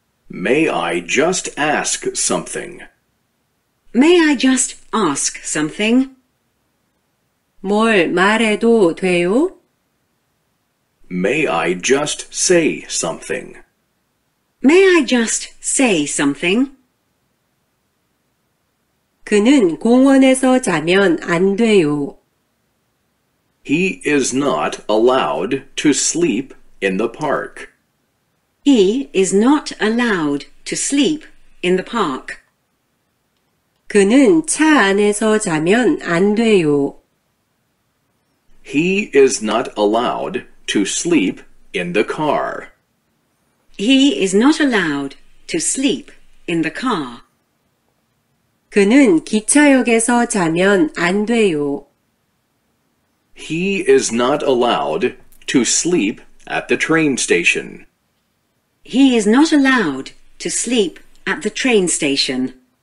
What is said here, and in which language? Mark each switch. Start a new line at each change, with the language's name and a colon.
English: May I just ask something? May I just ask something?
Korean: 뭘 말해도 돼요?
English: May I just say something? May I just say something?
Korean: 그는 공원에서 자면 안 돼요.
English: He is not allowed to sleep in the park. He is not allowed to sleep in the park.
Korean: 그는 차 안에서 자면 안 돼요.
English: He is not allowed to sleep in the car. He is not allowed to sleep in the car.
Korean: 그는 기차역에서 자면 안 돼요.
English: He is not allowed to sleep at the train station. He is not allowed to sleep at the train station.